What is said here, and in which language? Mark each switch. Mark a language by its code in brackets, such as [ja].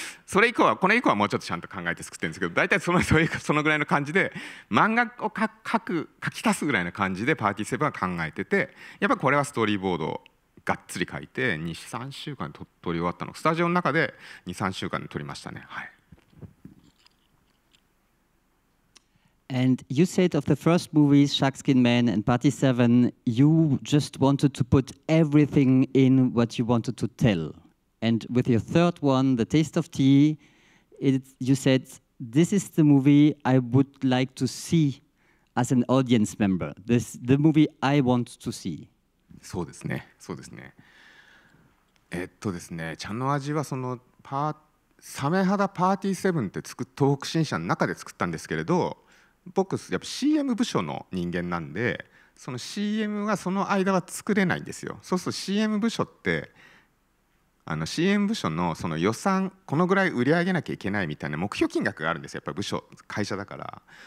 [ja] それ以降はこれ以降はもうちょっとちゃんと考えて作ってるんですけど、大体そのぐらいの感じで漫画を書き足すぐらいの感じでパーティーセブンは考えてて、やっぱこれはストーリーボードがっつり書いて2、3週間で撮り終わったの、スタジオの中で 2、3週間で撮りましたね。はい。 [en] And you said of the first movies, Sharkskin Man and Party 7, you just wanted to put everything in what you wanted to tell. And with your third one, The Taste of Tea, you said, this is the movie I would like to see as an audience member. This is the movie I want to see. [ja] そうですね、そうですね。ですね、茶の味はそのサメ肌パーティー7って東北新社の中で作ったんですけれど、僕やっぱ CM 部署の人間なんで、その CM はその間は作れないんですよ。そうすると CM 部署ってあの CM 部署のその予算このぐらい売り上げなきゃいけないみたいな目標金額があるんですよ、やっぱり部署会社だから。